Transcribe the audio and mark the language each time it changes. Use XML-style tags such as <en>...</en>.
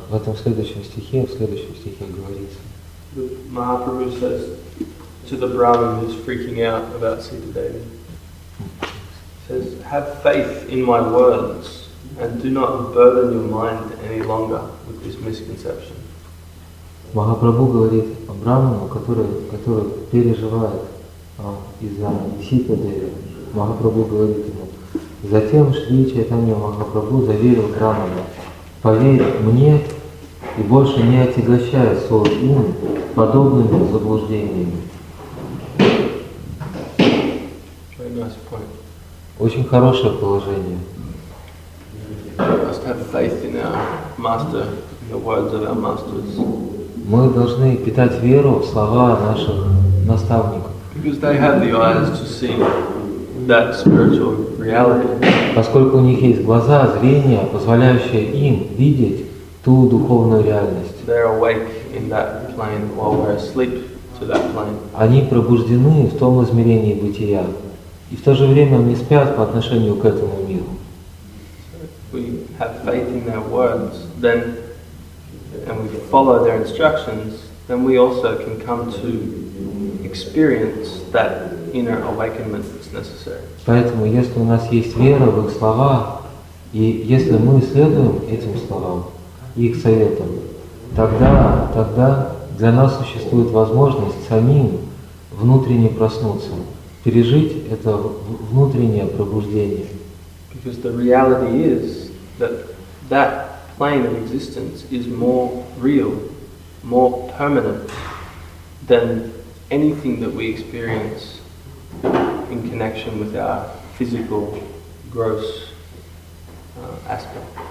<ru>В этом следующем стихе говорится.</ru> <en>The Mahaprabhu says to the Brahmin who's freaking out about Sita Devi. Says, have faith in my words and do not burden your mind any longer with this misconception.</en> <ru>Махапрабху говорит Браману, который переживает из-за Ситадеви. Махапрабху говорит ему, затем Шри Чайтанья Махапрабху заверил Браману, поверь мне и больше не отягощай свой ум подобными заблуждениями. Очень хорошее положение.</ru> <en>We must have faith in our master, in the words of our masters.</en> <ru>Мы должны питать веру в слова наших наставников.</ru> <en>Because they have the eyes to see that spiritual reality.</en> <ru>Поскольку у них есть глаза, зрение, позволяющее им видеть ту духовную реальность.</ru> <en>They're awake in that plane while we're asleep to that plane.</en> <ru>Они пробуждены в том измерении бытия, и в то же время они спят по отношению к этому миру.</ru> <en>We have faith in their words, then, and we follow their instructions, then we also can come to experience that inner awakenment that's necessary.</en> <ru>Поэтому, если у нас есть вера в их слова, и если мы следуем этим словам, их советам, тогда для нас существует возможность самим внутренне проснуться, пережить это внутреннее пробуждение.</ru> <en>Because the reality is that that plane of existence is more real, more permanent than anything that we experience in connection with our physical, gross aspect.</en>